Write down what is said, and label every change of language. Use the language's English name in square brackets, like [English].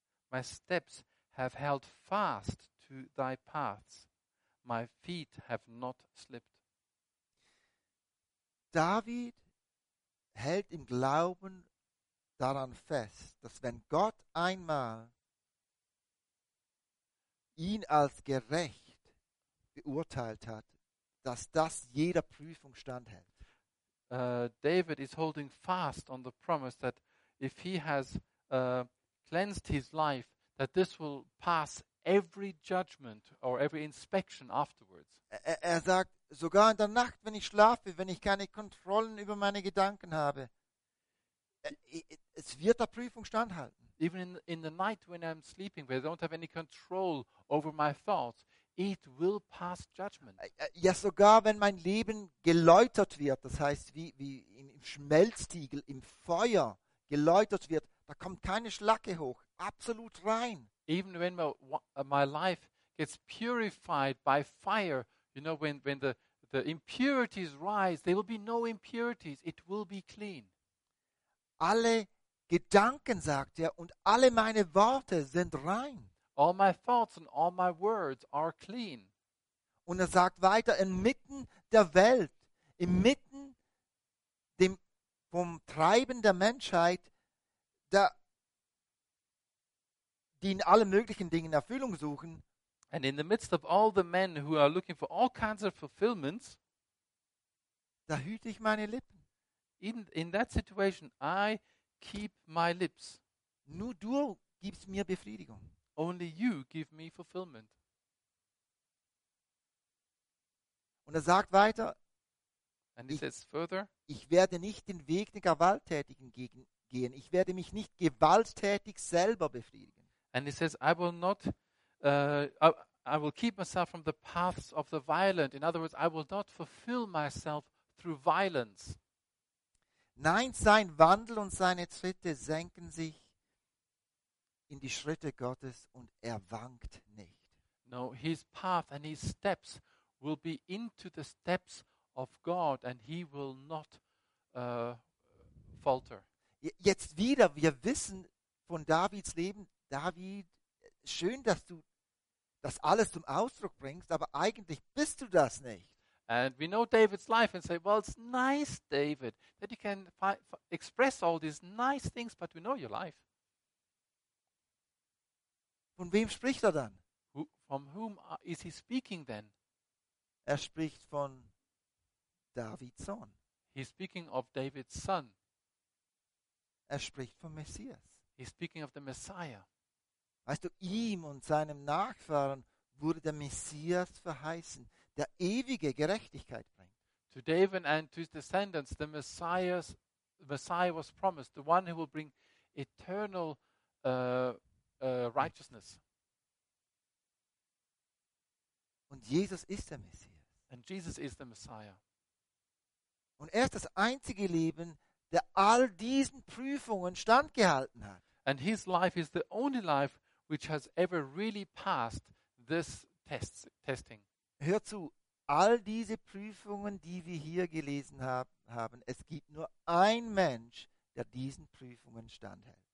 [English] My steps have held fast to thy paths. My feet have not slipped. [German] David hält im Glauben daran fest, dass wenn Gott einmal ihn als gerecht beurteilt hat, dass das jeder Prüfung standhält. [English] David is holding fast on the promise that if he has cleansed his life, that this will pass every judgment or every inspection afterwards. [German] Er sagt, sogar in der Nacht, wenn ich schlafe, wenn ich keine Kontrollen über meine Gedanken habe. es wird der Prüfung standhalten. [English] Even in the night when I'm sleeping, where I don't have any control over my thoughts, it will pass judgment. [German] Ja, sogar wenn mein Leben geläutert wird, das heißt, wie im Schmelztiegel, im Feuer geläutert wird, da kommt keine Schlacke hoch, absolut rein. [English] Even when my life gets purified by fire, you know, when the impurities rise, there will be no impurities, it will be clean. [German] Alle Gedanken, sagt er, und alle meine Worte sind rein. [English] All my thoughts and all my words are clean. [German] Und er sagt weiter, inmitten der Welt, inmitten dem vom Treiben der Menschheit, die in allen möglichen Dingen Erfüllung suchen. [English] And in the midst of all the men who are looking for all kinds of fulfillments, [German] da hüte ich meine Lippen. [English] Even in that situation, I keep my lips. [German] Nur du gibst mir Befriedigung. [English] Only you give me fulfillment. [German] Und er sagt weiter, [English] and he says further, [German] ich werde nicht den Weg der Gewalttätigen gehen. Ich werde mich nicht gewalttätig selber befriedigen. [English] And he says, I will not, I will keep myself from the paths of the violent. In other words, I will not fulfill myself through violence. [German] Nein, sein Wandel und seine Schritte senken sich in die Schritte Gottes und er wankt nicht. [English] No, his path and his steps will be into the steps of God and he will not falter. [German] Jetzt wieder, wir wissen von Davids Leben, David, schön, dass du das alles zum Ausdruck bringst, aber eigentlich bist du das nicht. [English] And we know David's life and say, well, it's nice, David, that you can express all these nice things, but we know your life. [German] Von wem spricht er dann? [English] From whom is he speaking then? [German] Er spricht von Davids Sohn. [English] He's speaking of David's son. [German] Er spricht von Messias. [English] He's speaking of the Messiah. [German] Weißt du, ihm und seinem Nachfahren wurde der Messias verheißen, der ewige Gerechtigkeit bringt. [English] To David and to his descendants, the Messiah was promised, the one who will bring eternal righteousness. [German] Und Jesus ist der Messias. [English] And Jesus is the Messiah. [German] Und er ist das einzige Leben, der all diesen Prüfungen standgehalten hat. [English] And his life is the only life which has ever really passed this testing. [German] Hör zu, all diese Prüfungen, die wir hier gelesen haben, es gibt nur ein Mensch, der diesen Prüfungen standhält.